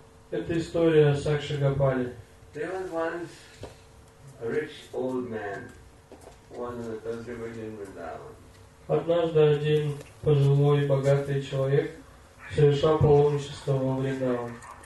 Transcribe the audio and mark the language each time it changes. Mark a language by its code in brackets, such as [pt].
[ru] Это история о Сакши Гопале. [en] There was once a rich old man, one of the pilgrims in Vrindavan. [ru] Однажды один пожилой богатый человек совершал паломничество во Вриндаван.